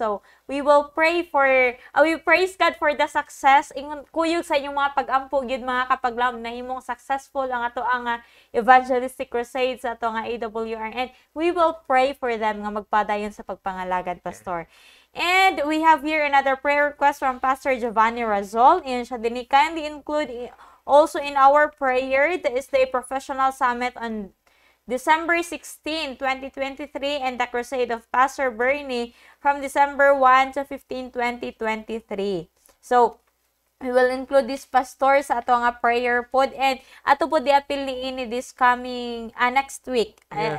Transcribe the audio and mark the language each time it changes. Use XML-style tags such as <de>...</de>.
<en>So, we will pray for we praise God for the success.</en> <ceb>Kuyog sa inyong mga pag-ampo gyud mga Kapaglaum na himong successful ang ato ang evangelistic crusade sa itong AWR.</ceb> <en>And we will pray for them</en> <ceb>nga magpadayon sa pagpangalagad,</ceb> <en>pastor. And we have here another prayer request from Pastor Giovanni Razol. And</en> <ceb>siya din</ceb> <en>kindly include also in our prayer, this is the professional summit on December 16, 2023 and the crusade of Pastor Bernie from December 1 to 15, 2023. So, we will include this pastor</en> <ceb>sa ato nga prayer pod</ceb> <en>and</en> <ceb>ato po di appeal niini</ceb> <en>this coming next week. Yeah.</en>